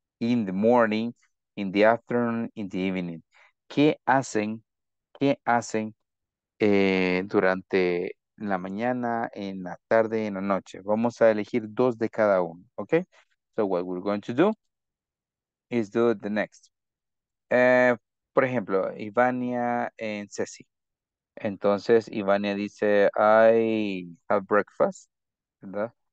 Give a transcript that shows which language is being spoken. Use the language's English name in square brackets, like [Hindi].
[English] In the morning, in the afternoon, in the evening. [Spanish] ¿Qué hacen durante la mañana, en la tarde, en la noche? Vamos a elegir dos de cada uno, ¿ok? [English] So what we're going to do is do the next. [Spanish] Por ejemplo, Ivania and Ceci. Entonces, Ivania dice, [English] I have breakfast, [Spanish] ¿verdad?